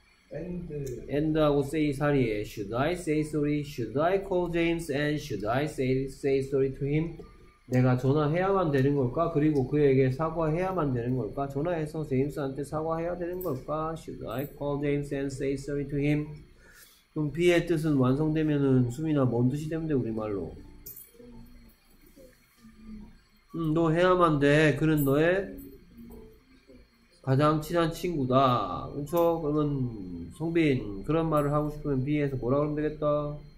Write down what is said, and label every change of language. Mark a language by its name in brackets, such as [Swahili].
[English] 엔드 엔드하고 say [Korean] 사이에 [English] should I say sorry? Should I call James? And should I say sorry to him? [Korean] 내가 전화해야만 되는 걸까? 그리고 그에게 사과해야만 되는 걸까? 전화해서 제임스한테 사과해야 되는 걸까? [English] Should I call James and say sorry to him? [Korean] 그럼 B의 뜻은 완성되면은 수민아 뭔 뜻이 되면 돼 우리말로? 너 해야만 돼. 그는 너의 가장 친한 친구다. 그쵸? 그러면 성빈, 그런 말을 하고 싶으면 B에서 뭐라 그러면 되겠다.